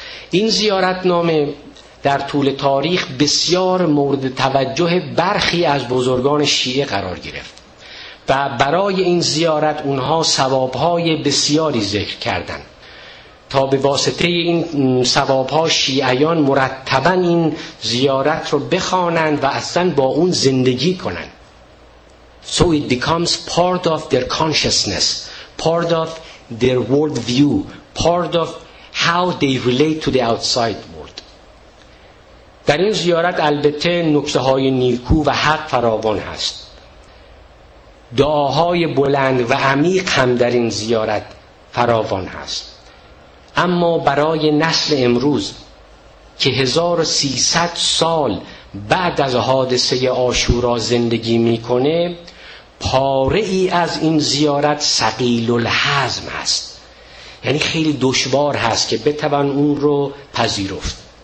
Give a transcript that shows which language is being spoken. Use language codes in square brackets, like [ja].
[fa] این زیارت نامه در طول تاریخ بسیار مورد توجه برخی از بزرگان شیعه قرار گرفت و برای این زیارت اونها ثوابهای بسیاری ذکر کردند. تا به واسطه این ثوابها شیعیان مرتباً این زیارت رو بخوانند و اصلا با اون زندگی کنند. [en] So it becomes part of their consciousness, part of their world view, part of how they relate to the outside world. [fa] در این زیارت البته نکته های نیکو و حق فراوان هست. دعاهای بلند و عمیق هم در این زیارت فراوان هست. اما برای نسل امروز که 1300 سال بعد از حادثه عاشورا زندگی میکنه، پاره ای از این زیارت ثقیل الهضم است، یعنی خیلی دشوار هست که بتوان اون رو پذیرفت.